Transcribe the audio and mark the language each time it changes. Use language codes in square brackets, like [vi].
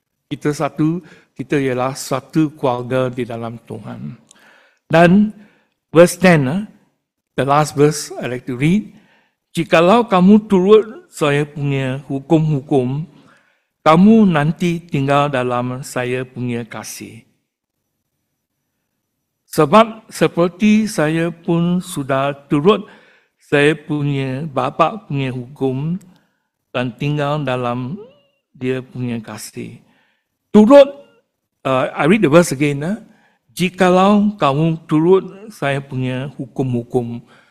[ms] Kita ialah satu keluarga di dalam Tuhan. [en] Dan verse 10, the last verse I like to read. [ms] Jikalau kamu turut saya punya hukum-hukum, kamu nanti tinggal dalam saya punya kasih. Sebab seperti saya pun sudah turut saya punya Bapa punya hukum dan tinggal dalam dia punya kasih. [en] Turut, I read the verse again. [ms] Jikalau kamu turut saya punya hukum-hukum.